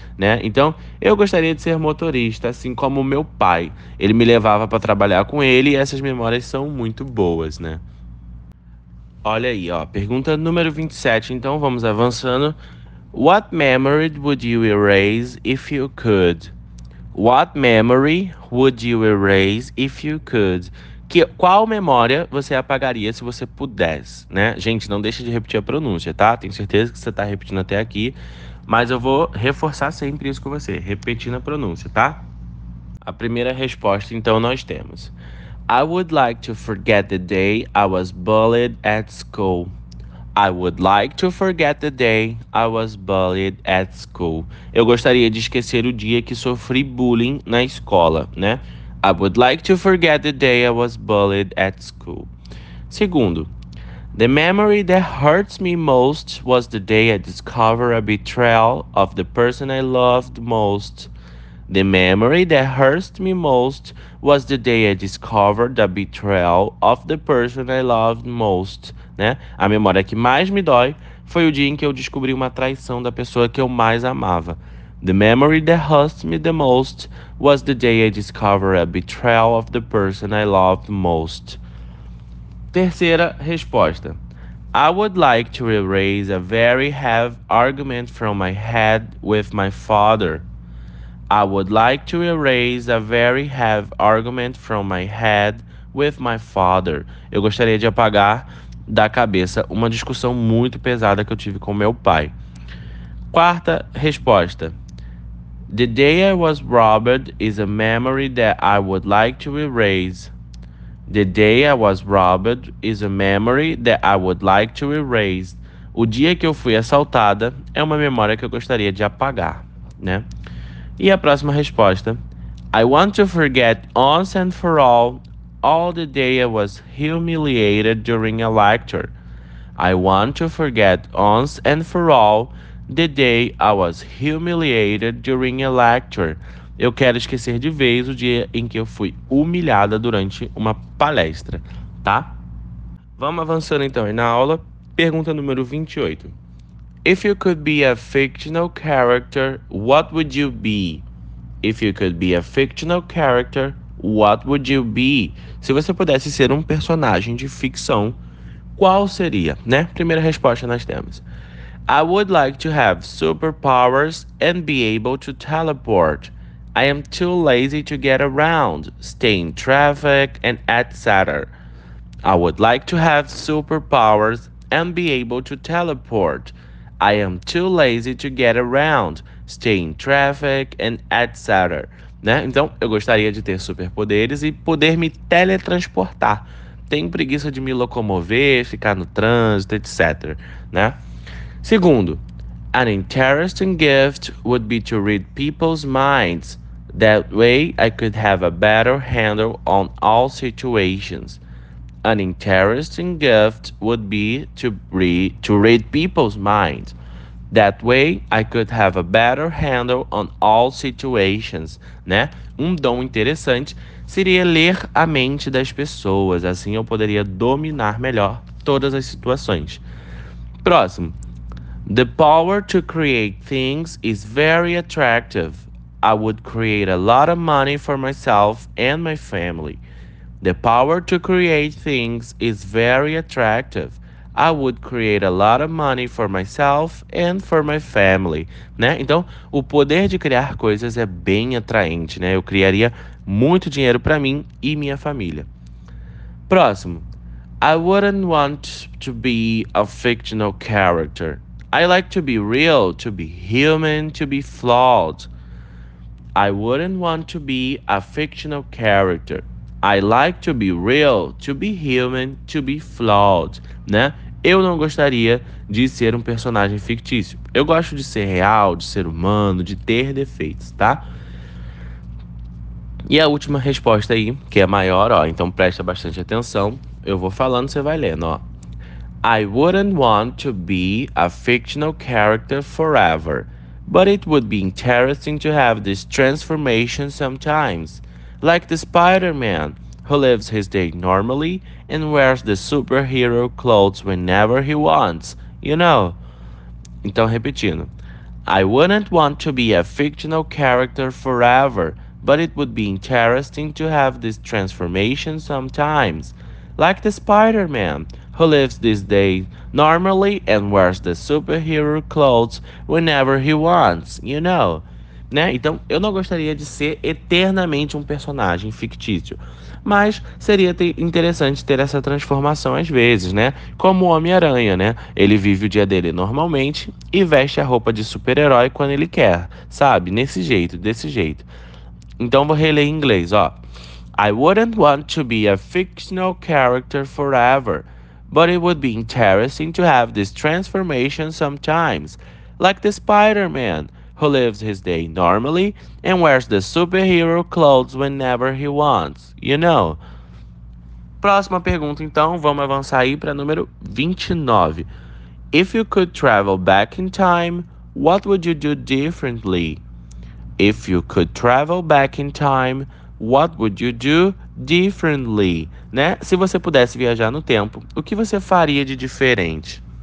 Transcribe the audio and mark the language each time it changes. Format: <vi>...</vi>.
<pt>Né? Então, eu gostaria de ser motorista, assim como meu pai. Ele me levava para trabalhar com ele e essas memórias são muito boas, né? Olha aí, ó. Pergunta número 27. Então, vamos avançando.</pt> <en>What memory would you erase if you could? What memory would you erase if you could?</en> <pt>Qual memória você apagaria se você pudesse, né? Gente, não deixa de repetir a pronúncia, tá? Tenho certeza que você tá repetindo até aqui, mas eu vou reforçar sempre isso com você, repetindo a pronúncia, tá? A primeira resposta, então, nós temos:</pt> <en>I would like to forget the day I was bullied at school. I would like to forget the day I was bullied at school.</en> <pt>Eu gostaria de esquecer o dia que sofri bullying na escola, né?</pt> <en>I would like to forget the day I was bullied at school. Segundo, the memory that hurts me most was the day I discovered a betrayal of the person I loved most. The memory that hurts me most was the day I discovered the betrayal of the person I loved most, né?</en> <pt>A memória que mais me dói foi o dia em que eu descobri uma traição da pessoa que eu mais amava.</pt> <en>The memory that hurts me the most was the day I discovered a betrayal of the person I loved most.</en> <pt>Terceira resposta.</pt> <en>I would like to erase a very heavy argument from my head with my father. I would like to erase a very heavy argument from my head with my father.</en> <pt>Eu gostaria de apagar da cabeça uma discussão muito pesada que eu tive com meu pai. Quarta resposta.</pt> <en>The day I was robbed is a memory that I would like to erase. The day I was robbed is a memory that I would like to erase.</en> <pt>O dia que eu fui assaltada é uma memória que eu gostaria de apagar, né? E a próxima resposta.</pt> <en>I want to forget once and for all the day I was humiliated during a lecture. I want to forget once and for all the day I was humiliated during a lecture.</en> <pt>Eu quero esquecer de vez o dia em que eu fui humilhada durante uma palestra, tá? Vamos avançando então aí na aula. Pergunta número 28.</pt> <en>If you could be a fictional character, what would you be? If you could be a fictional character, what would you be?</en> <pt>Se você pudesse ser um personagem de ficção, qual seria, né? Primeira resposta nós temos:</pt> <en>I would like to have superpowers and be able to teleport. I am too lazy to get around, stay in traffic, and etc. I would like to have superpowers and be able to teleport. I am too lazy to get around, stay in traffic, and etc. Né?</en> <pt>Então, eu gostaria de ter superpoderes e poder me teletransportar. Tenho preguiça de me locomover, ficar no trânsito, etc. Né?</pt> <en>Segundo, an interesting gift would be to read people's minds. That way I could have a better handle on all situations. An interesting gift would be to read people's minds. That way I could have a better handle on all situations, né?</en> <pt>Um dom interessante seria ler a mente das pessoas, assim eu poderia dominar melhor todas as situações. Próximo.</pt> <en>The power to create things is very attractive. I would create a lot of money for myself and my family. The power to create things is very attractive. I would create a lot of money for myself and for my family.</en> <pt>Né? Então, o poder de criar coisas é bem atraente, né? Eu criaria muito dinheiro para mim e minha família.</pt> <en>Próximo. I wouldn't want to be a fictional character. I like to be real, to be human, to be flawed. I wouldn't want to be a fictional character. I like to be real, to be human, to be flawed, né?</en> <pt>Eu não gostaria de ser um personagem fictício. Eu gosto de ser real, de ser humano, de ter defeitos, tá? E a última resposta aí, que é maior, ó, então presta bastante atenção. Eu vou falando, você vai lendo, ó.</pt> <en>I wouldn't want to be a fictional character forever, but it would be interesting to have this transformation sometimes. Like the Spider-Man, who lives his day normally and wears the superhero clothes whenever he wants, you know?</en> <pt>Então, repetindo.</pt> <en>I wouldn't want to be a fictional character forever, but it would be interesting to have this transformation sometimes. Like the Spider-Man. who lives this day normally and wears the superhero clothes whenever he wants, you know?</en> <pt>Né? Então, eu não gostaria de ser eternamente um personagem fictício. Mas seria interessante ter essa transformação às vezes, né? Como o Homem-Aranha, né? Ele vive o dia dele normalmente e veste a roupa de super-herói quando ele quer, sabe? Nesse jeito, desse jeito. Então, vou reler em inglês, ó.</pt> <en>I wouldn't want to be a fictional character forever, but it would be interesting to have this transformation sometimes, like the Spider-Man, who lives his day normally and wears the superhero clothes whenever he wants, you know?</en> <pt>Próxima pergunta, então, vamos avançar aí para número 29.</pt> <en>If you could travel back in time, what would you do differently? If you could travel back in time, what would you do differently?</en> <pt>Né? Se você pudesse viajar no tempo, o que você faria de diferente?</pt>